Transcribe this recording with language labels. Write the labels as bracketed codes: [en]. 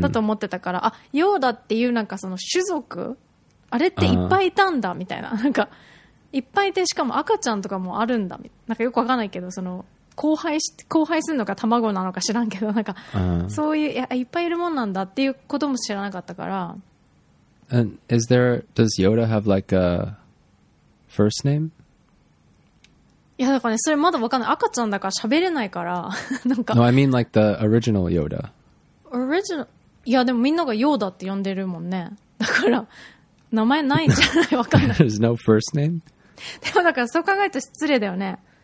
[ja] だと思ってたから、あ、ヨーダっていうなんかその種族、あれっていっぱいいたんだ、みたいな。なんか、いっぱいいて、しかも赤ちゃんとかもあるんだ。なんかよくわかんないけど、その、交配するのか卵なのか知らんけど、なんか、そういう、いっぱいいるもんなんだっていうことも知らなかったから。 [en] And is there, does Yoda have like a first name? [ja] いや、だからね、それまだわかんない。赤ちゃんだから喋れないから、なんか。 [en] No, I mean like the original Yoda. Original? [ja] いや、でもみんながヨーダって呼んでるもんね。だから、名前ないんじゃない？わかんない。 [en] There's no first name? [ja] でもだからそう考えると失礼だよね。